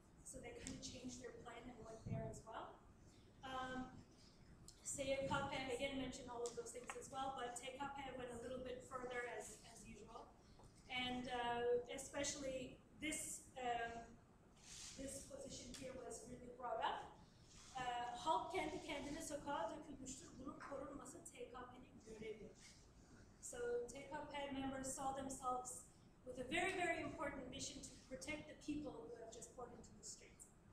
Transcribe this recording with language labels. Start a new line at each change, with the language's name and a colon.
English: So they kind of changed their plan and went there as well. SYKP again mentioned all of those things as well, but TKP went a little bit further as usual. And especially this position here was really brought up.
Turkish: Halk kendi kendine sokağa dökülmüştür, bunun korunması TKP'nin görevi.
English: So TKP members saw themselves with a very, very important mission to protect the people who have just poured into the streets.